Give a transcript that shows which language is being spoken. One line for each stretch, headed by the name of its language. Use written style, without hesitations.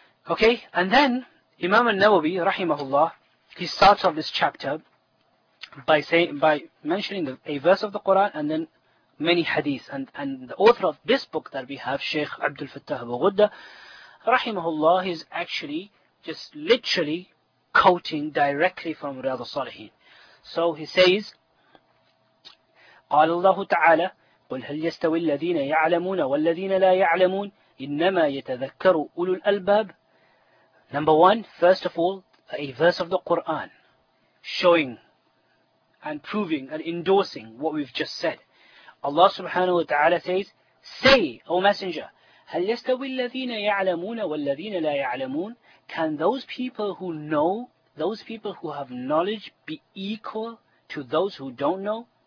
English: Okay, and then Imam al-Nawawi, rahimahullah, he starts off this chapter by mentioning a verse of the Quran and then many hadith. And the author of this book that we have, Shaykh Abdul Fattah Abu Ghudda, rahimahullah, he's actually just literally quoting directly from Riyad al-Salihin. So he says,
Arabic: قال الله تعالى قل هل يستوي الذين يعلمون والذين لا يعلمون إنما يتذكر أولو الألباب.
English: Number one, first of all, a verse of the Quran showing and proving and endorsing what we've just said. Allah subhanahu wa ta'ala says, say, O Messenger,
Arabic: هَلْ يَسْتَوِي الَّذِينَ يَعْلَمُونَ وَالَّذِينَ لَا يَعْلَمُونَ,
English: can those people who know, those people who have knowledge, be equal to those who don't know?